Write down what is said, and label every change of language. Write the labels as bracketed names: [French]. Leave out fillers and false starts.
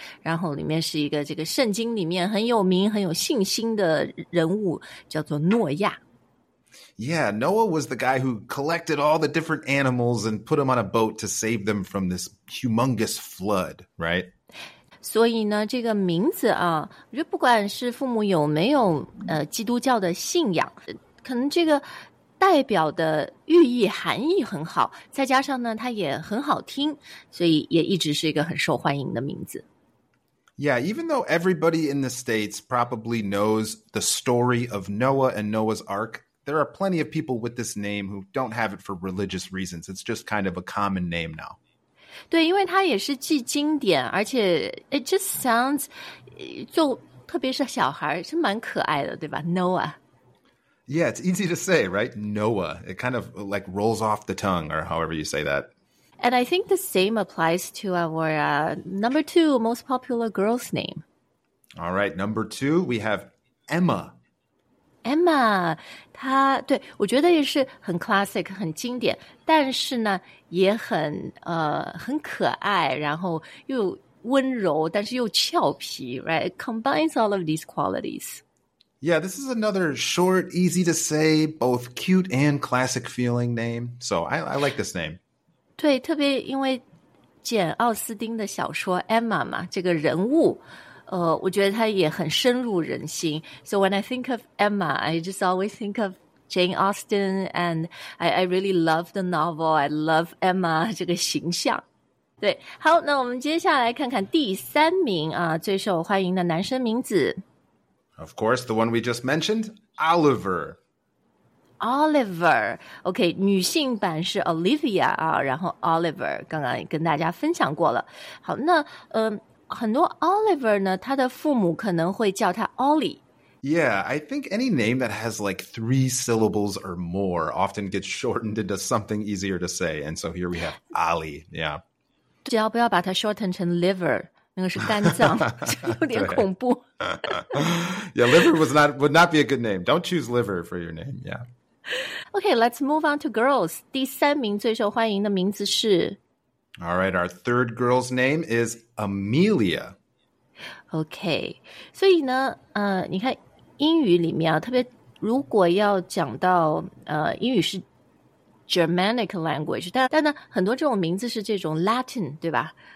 [Chinese] 然后里面是一个这个圣经里面很有名、很有信心的人物，叫做诺亚。 [English] Yeah, Noah was the guy who collected all the different animals and put them on a boat to save them from this humongous flood, right? [Chinese] 所以呢，这个名字啊，我觉得不管是父母有没有基督教的信仰，可能这个代表的寓意含义很好，再加上呢，它也很好听，所以也一直是一个很受欢迎的名字。 [English] Yeah, even though everybody in the States probably knows the story of Noah and Noah's Ark,There are plenty of people with this name who don't have it for religious reasons. It's just kind of a common name now. [Chinese] 对，因为它也是既经典，而且 [English] it just sounds, [Chinese] 就特别是小孩是蛮可爱的，对吧 ？Noah. [English] Yeah, it's easy to say, right? Noah. It kind of like rolls off the tongue, or however you say that. And I think the same applies to our number two most popular girl's name. All right, number two, we have Emma. [Chinese] Emma, 她对我觉得也是很 classic, 很经典，但是呢也很很可爱，然后又温柔，但是又俏皮 ，right? [English] Combines all of these qualities. Yeah, this is another short, easy to say, both cute and classic feeling name. So I like this name. [Chinese] 对，特别因为简奥斯汀的小说 Emma 嘛，这个人物。我觉得他也很深入人心。 [English] So when I think of Emma, I just always think of Jane Austen, and I really love the novel. I love Emma [Chinese] 这个形象。对，好，那我们接下来看看第三名啊，最受欢迎的男生名字。 [English] Of course, the one we just mentioned, Oliver. [Chinese] Oliver, OK, 女性版是 Olivia 啊，然后 Oliver 刚刚跟大家分享过了。好，那很多 Oliver 呢，他的父母可能会叫他 Ollie. [English] Yeah, I think any name that has like three syllables or more often gets shortened into something easier to say. And so here we have Ollie, yeah. [Chinese] 只要不要把它 shorten 成 liver, 那个是肝脏，有点恐怖。 [English] Yeah, liver would not be a good name. Don't choose liver for your name, yeah. Okay, let's move on to girls. [Chinese] 第三名最受欢迎的名字是 [English] All right, our third girl's name is Amelia. [Chinese] Okay, 所以呢，你看英语里面啊，特别如果要讲到英语是 Germanic language， 但呢，很多这种名字是这种 Latin， 对吧？